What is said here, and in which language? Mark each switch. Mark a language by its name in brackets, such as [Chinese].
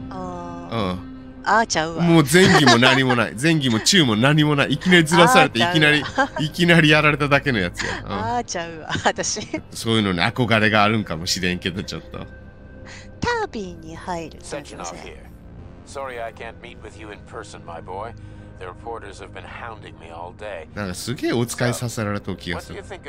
[Japanese] あー、うん、あーちゃうわ。もう前儀も何もない、前儀も中も何もない、いきなりずらされて、いきなりやられただけのやつや。うん、あーちゃうわ、私。そういうのに憧れがあるんかもしれんけど、ちょっと。タービンに入る感じですね。 [English] Sorry, I can't meet with you in person, my boy. The reporters have been hounding me all day. [Japanese] なんかすげえお使いさせられた気がする。